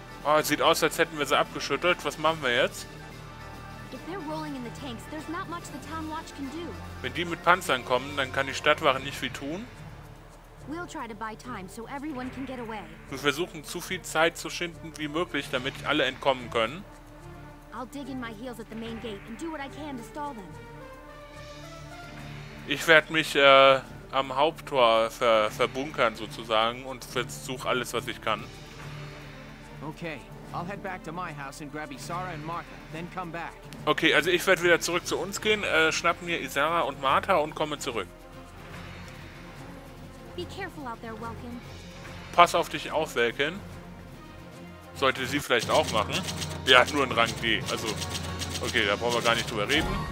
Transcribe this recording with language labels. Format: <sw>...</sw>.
<de>Oh, sieht aus, als hätten wir sie abgeschüttelt. Was machen wir jetzt?</de> <en>If they're rolling in the tanks, there's not much the town watch can do.</en> <de>Wenn die mit Panzern kommen, dann kann die Stadtwache nicht viel tun.</de> <en>We'll try to buy time so everyone can get away.</en> <de>Wir versuchen so viel Zeit zu schinden wie möglich, damit alle entkommen können.</de> <en>I'll dig in my heels at the main gate and do what I can to stall them.</en> <de>Ich werde mich am Haupttor verbunkern sozusagen und versuche alles, was ich kann.</de> <en>Okay, I'll head back to my house and grab Isara and Martha, then come back.</en> <de>Okay, also ich werde wieder zurück zu uns gehen, schnapp mir Isara und Martha und komme zurück.</de> <en>Be careful out there, Welkin.</en> <de>Pass auf dich auf,</de> <en>Welkin.</en> <de>Sollte sie vielleicht auch machen. Ja, nur in Rang D. Also, okay, da brauchen wir gar nicht drüber reden.</de>